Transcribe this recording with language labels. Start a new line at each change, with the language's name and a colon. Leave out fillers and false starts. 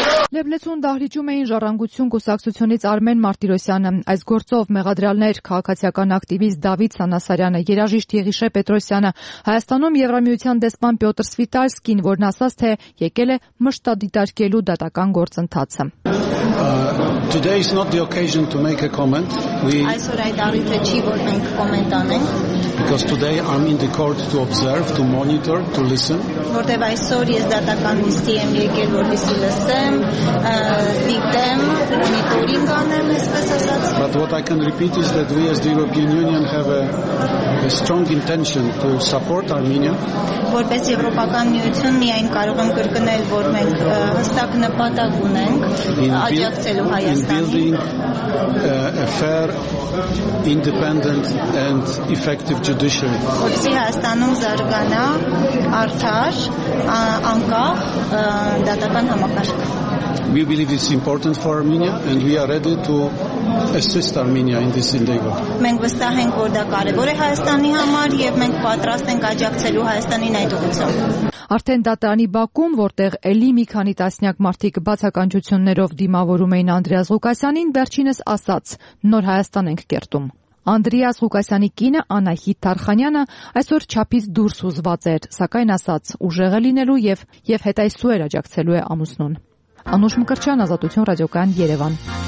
Armenian: Լեբլեցուն դահլիճում էին ժառանգություն կուսակցությունից Արմեն Մարտիրոսյանը, այս գործով մեղադրյալներ քաղաքացիական ակտիվիստ Դավիթ Սանասարյանը, երաժիշտ Եղիշե Պետրոսյանը, Հայաստանում Եվրամիության դեսպան Պյոտր Սվիտալսկին, որն ասաց, թե եկել է մշտադիտարկելու դատական գործընթացը։
English: Today is not the occasion to make a comment. Because today I'm in the court to observe, to monitor, to listen. But what I can repeat is that we as the European Union have a strong intention to support Armenia.
Armenian: Որպես եվրոպական միություն միայն կարող ենք կրկնել, որ մենք հստակ նպատակ ունենք աջակցելու Հայաստանին.
English: Building a fair, independent and effective judiciary.
Armenian: Որպեսզի Հայաստանում զարգանա արդար, անկախ դատական համակարգ.
English: We believe it's important for Armenia and we are ready to assist Armenia in this endeavor.
Armenian: Մենք վստահ ենք, որ դա կարևոր է Հայաստանի համար եւ մենք պատրաստ ենք աջակցելու Հայաստանին այդ ուղղությամբ։ Արդեն դատարանի Բաքուն, որտեղ էլի մի քանի տասնյակ մարդիկ բացականչություններով դիմավորում էին Անդրեաս Ղուկասյանին, վերջինս ասաց. «Նոր Հայաստան ենք կերտում»։ Անդրեաս Ղուկասյանի կինը Անահիտ Թարխանյանը այսօր չափից դուրս ուզված էր, սակայն ասաց՝ ուժեղը լինելու եւ հետայսու էր աջակցելու է ամուսնուն։ Անուշ Մկրտչյան, Ազատություն ռադիոկայան, Երևան։